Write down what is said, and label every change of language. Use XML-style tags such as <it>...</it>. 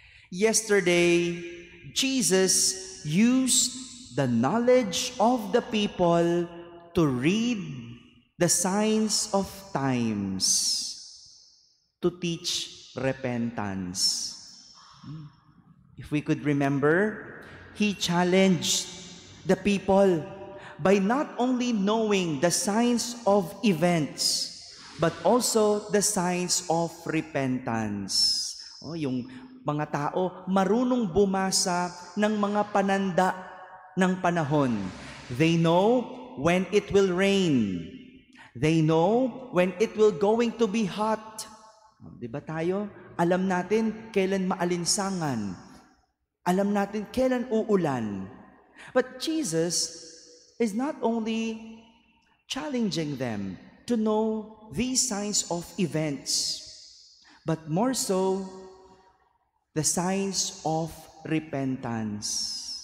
<en>Yesterday, Jesus used the knowledge of the people to read the signs of times, to teach repentance. If we could remember, he challenged the people by not only knowing the signs of events, but also the signs of repentance.</en> <tl>Oh, yung mga tao marunong bumasa ng mga pananda ng panahon.</tl> <en>They know when it will rain. They know when it will going to be hot.</en> <tl>Diba tayo? Alam natin kailan maalinsangan. Alam natin kailan uulan.</tl> <en>But Jesus is not only challenging them to know these signs of events, but more so, the signs of repentance.</en>